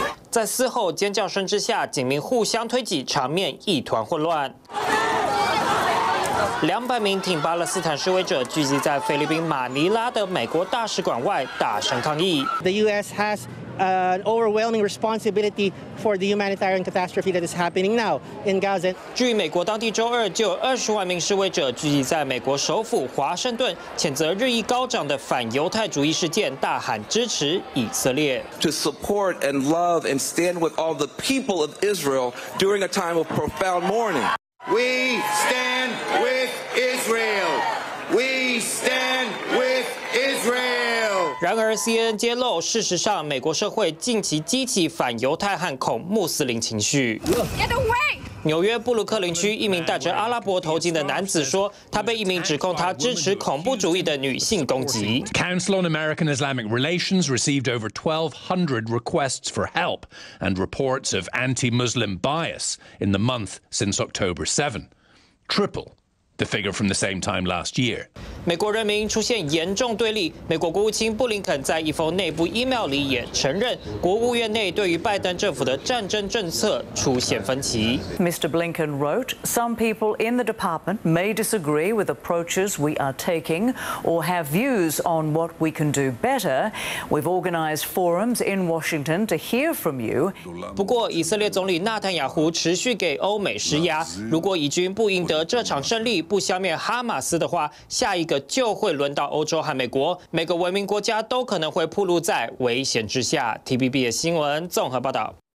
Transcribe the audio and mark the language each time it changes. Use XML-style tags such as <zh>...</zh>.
<zh>在嘶吼尖叫声之下，警民互相推挤，场面一团混乱。 200名挺巴勒斯坦示威者聚集在菲律宾马尼拉的美国大使馆外，大声抗议。</zh> <en>The U.S. has an overwhelming responsibility for the humanitarian catastrophe that is happening now in Gaza.</en> <zh>据美国当地周二就有200,000名示威者聚集在美国首府华盛顿，谴责日益高涨的反犹太主义事件，大喊支持以色列。</zh> <en>To support and love and stand with all the people of Israel during a time of profound mourning. We stand with Israel. We stand with Israel.</en> <zh>然而 ，CNN 揭露，事实上，美国社会近期激起反犹太和恐穆斯林情绪。</zh> <en>Get away!</en> <zh>纽约布鲁克林区一名戴着阿拉伯头巾的男子说，他被一名指控他支持恐怖主义的女性攻击。</zh> <en>Council on American Islamic Relations received over 1,200 requests for help and reports of anti-Muslim bias in the month since October 7, triple the figure from the same time last year.</en> <zh>美国人民出现严重对立。美国国务卿布林肯在一封内部 email 里也承认，国务院内对于拜登政府的战争政策出现分歧。</zh> <en>Mr. Blinken wrote, "Some people in the department may disagree with approaches we are taking or have views on what we can do better. We've organized forums in Washington to hear from you."</en> <zh>不过，以色列总理纳坦雅胡持续给欧美施压。如果以军不赢得这场胜利，不消灭哈马斯的话，下一个就会轮到欧洲和美国，每个文明国家都可能会暴露在危险之下。 TBB 的新闻综合报道。</zh>